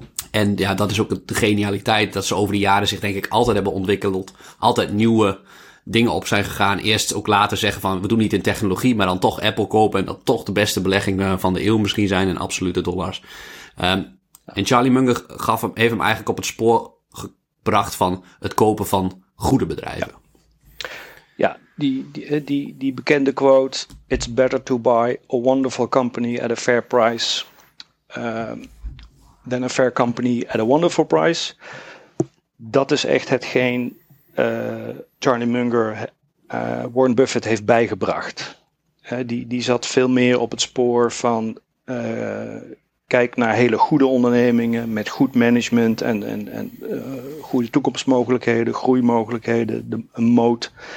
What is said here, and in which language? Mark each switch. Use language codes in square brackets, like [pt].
[nl] En ja, dat is ook de genialiteit dat ze over de jaren zich denk ik altijd hebben ontwikkeld, altijd nieuwe dingen op zijn gegaan. Eerst ook later zeggen van we doen niet in technologie, maar dan toch Apple kopen en dat toch de beste belegging van de eeuw misschien zijn in absolute dollars. En Charlie Munger heeft hem eigenlijk op het spoor gebracht van het kopen van goede bedrijven. Ja, die bekende quote, [en] it's better to buy a wonderful company at a fair price than a fair company at a wonderful price. [nl] Dat is echt hetgeen Charlie Munger Warren Buffett heeft bijgebracht. Die zat veel meer op het spoor van kijk naar hele goede ondernemingen met goed management en goede toekomstmogelijkheden, groeimogelijkheden, een moat.